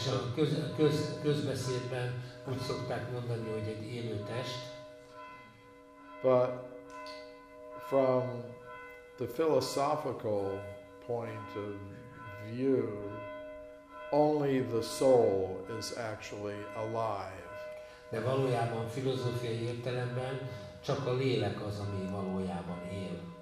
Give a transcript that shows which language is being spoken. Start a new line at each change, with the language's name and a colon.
Hungarian: És a közbeszédben úgy szokták mondani, hogy egy élő test.
English: But from the philosophical point of view, only the soul is actually alive.
Hungarian: De valójában filozófiai értelemben csak a lélek az, ami valójában él.